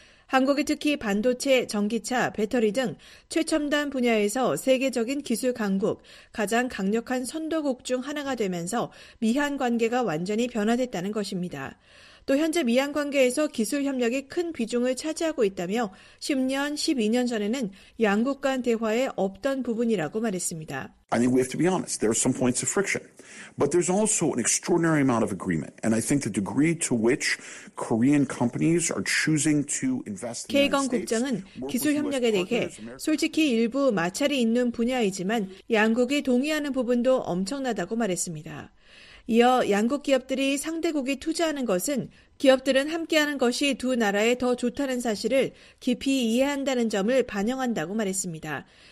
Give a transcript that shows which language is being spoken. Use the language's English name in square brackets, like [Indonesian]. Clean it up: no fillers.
[Korean] 한국이 특히 반도체, 전기차, 배터리 등 최첨단 분야에서 세계적인 기술 강국, 가장 강력한 선도국 중 하나가 되면서 미한 관계가 완전히 변화됐다는 것입니다. 또 현재 미한 관계에서 기술 협력이 큰 비중을 차지하고 있다며 10년, 12년 전에는 양국 간 대화에 없던 부분이라고 말했습니다. [English] I think we have to be honest. There are some points of friction. But there's also an extraordinary amount of agreement. And I think the degree to which Korean companies are choosing to invest in the United States. [Korean] 케이건 국장은 기술 협력에 대해 솔직히 일부 마찰이 있는 분야이지만 양국이 동의하는 부분도 엄청나다고 말했습니다. 이어 양국 기업들이 상대국이 투자하는 것은 기업들은 함께하는 것이 두 나라에 더 좋다는 사실을 깊이 이해한다는 점을 반영한다고 말했습니다.